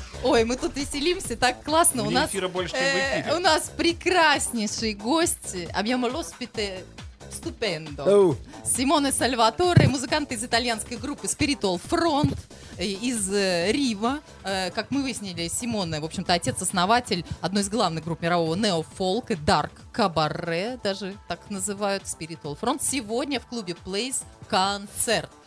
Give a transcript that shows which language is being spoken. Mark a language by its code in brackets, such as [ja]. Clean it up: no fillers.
[ru] Ой, мы тут веселимся, так классно. Мне у нас эфира больше, чем в эфире. У нас прекраснейший гость. [it] Abbiamo l'ospite stupendo. [ru] Симоне Сальваторе, музыкант из итальянской группы Spiritual Front из Рима. Как мы выяснили, Симоне, в общем-то, отец-основатель одной из главных групп мирового неофолк, Dark Cabaret, даже так называют, Spiritual Front. Сегодня в клубе Place концерт.